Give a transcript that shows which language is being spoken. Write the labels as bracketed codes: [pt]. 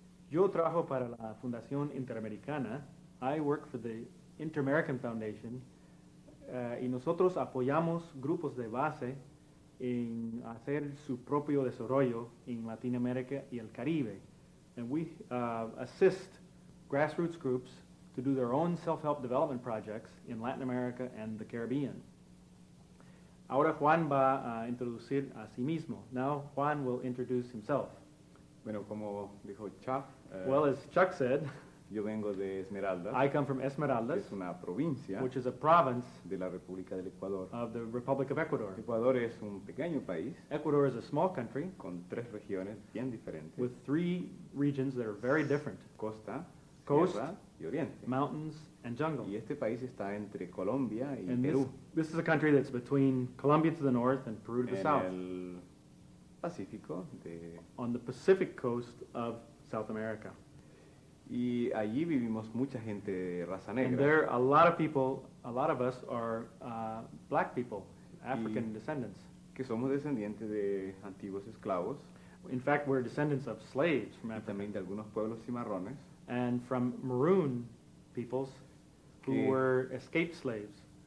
[es] Yo trabajo para la Fundación Interamericana. [en] I work for the Inter-American Foundation. [es] Y nosotros apoyamos grupos de base en hacer su propio desarrollo en Latinoamérica y el Caribe. [en] And we assist grassroots groups to do their own self-help development projects in Latin America and the Caribbean. [es] Ahora Juan va a introducir a sí mismo. [en] Now Juan will introduce himself. [es] Bueno, como dijo Chuck. [en] Well, as Chuck said, [es] yo vengo de Esmeraldas. [en] I come from Esmeraldas. [es] Es una provincia. [en] Which is a province. [es] De la República del Ecuador. [en] Of the Republic of Ecuador. [es] Ecuador es un pequeño país. [en] Ecuador is a small country. [es] Con tres regiones bien diferentes. [en] With three regions that are very different. [es] Costa. [en] Coast. [es] Y oriente. [en] Mountains and jungle. [es] Y este país está entre Colombia y [en] and [es] Perú. [en] This is a country that's between Colombia to the north and Peru to the [es] en [en] south. [es] El Pacífico de [en] on the Pacific coast of South America. [es] Y allí vivimos mucha gente de raza negra. [en] And there are a lot of people, a lot of us are black people, African descendants. [es] Que somos descendientes de antiguos esclavos. [en] In fact, we're descendants of slaves from Africa. [es] Y también de algunos pueblos cimarrones. [en] And from maroon peoples who were escaped slaves.